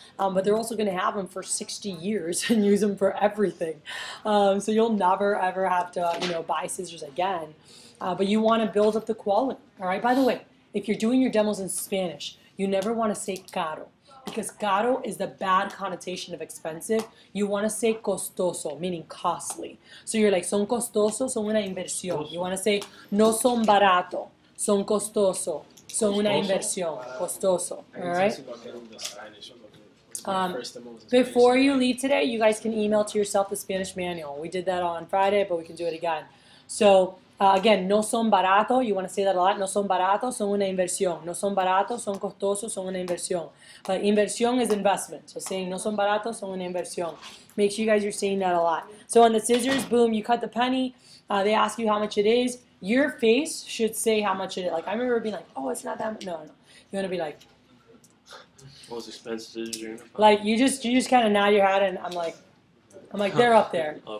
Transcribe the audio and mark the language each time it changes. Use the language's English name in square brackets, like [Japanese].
[English] But they're also gonna have them for 60 years and use them for everything. So you'll never ever have to, you know, buy scissors again. But you wanna build up the quality, all right? By the way, if you're doing your demos in Spanish, you never wanna say caro, because caro is the bad connotation of expensive. You wanna say costoso, meaning costly. So you're like, [Spanish] son costoso, son una inversión. [English] You wanna say, [Spanish] no son barato, son costoso, son una inversión, costoso, [English] all right? Before you leave today, you guys can email to yourself the Spanish manual. We did that on Friday, but we can do it again. So again, [Spanish] no son barato, [English] you wanna say that a lot, [Spanish] no son barato, son una inversión. No son barato, son costoso, son una inversión. [English] But inversión is investment. So saying [Spanish] no son barato, son una inversión. [English] Make sure you guys are saying that a lot. So on the scissors, boom, you cut the penny. They ask you how much it is. Your face should say how much it is. Like I remember being like, oh, it's not that much. No. You wanna be like, most expensive scissors you're gonna find. Like you just kinda nod your head and I'm like, they're up there.